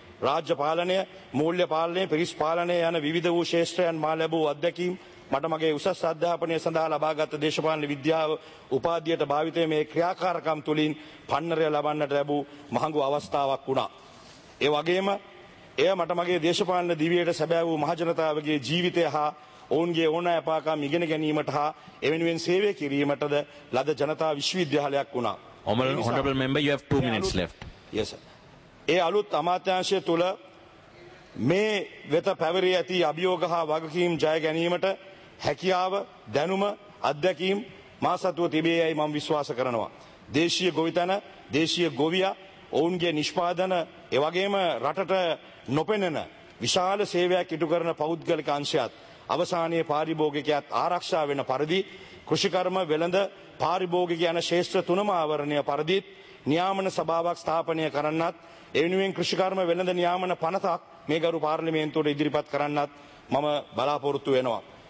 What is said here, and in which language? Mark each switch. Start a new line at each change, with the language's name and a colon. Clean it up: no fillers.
Sinhala: රාජ්‍ය පාලනය, මූල්‍ය පාලනය, පිරිස් පාලනය යන විවිධ වූ ශේෂ්ත්‍රයන් මා ලැබූ අත්දැකීම් මට මගේ උසස් අධ්‍යාපනය සඳහා ලබාගත් දේශපාලන විද්‍යාව උපාධියට භාවිතයේ මේ ක්‍රියාකාරකම් තුළින් පන්නරය ලබන්නට ලැබූ මහඟු අවස්ථාවක් වුණා. ඒ වගේම එය මට මගේ දේශපාලන දිවියට සැබෑ වූ මහජනතාවගේ ජීවිතය හා ඔවුන්ගේ ඕනෑපාකම් ඉගෙන ගැනීමට හා එවෙනුවෙන් සේවය කිරීමටද ලද ජනතා විශ්වවිද්‍යාලයක් වුණා.
English: Honorable member, you have 2 minutes left. Yes, sir.
Sinhala: ඒ අලුත් අමාත්‍යාංශය තුල මේ වෙත පැවරී ඇති අභියෝග හා වගකීම් ජය ගැනීමට හැකියාව, දැනුම, අත්දැකීම් මා සතුව තිබේ යයි මම විශ්වාස කරනවා. දේශීය ගොවිතැන, දේශීය ගොවියා, ඔවුන්ගේ නිෂ්පාදන, එවැගේම රටට නොපෙනෙන විශාල සේවයක් ඉටු කරන පෞද්ගලික අංශයත් අවසානයේ පාරිභෝගිකයත් ආරක්ෂා වෙන පරිදි කෘෂිකර්ම, වෙළඳ, පාරිභෝගික යන ශේෂ්ත්‍ර තුනම ආවරණය පරිදිත් නියාමන සභාවක් ස්ථාපනය කරන්නත්, එවිනුවෙන් කෘෂිකර්ම වෙළඳ නියාමන පනතක් මේ ගරු පාර්ලිමේන්තුවට ඉදිරිපත් කරන්නත් මම බලාපොරොත්තු වෙනවා.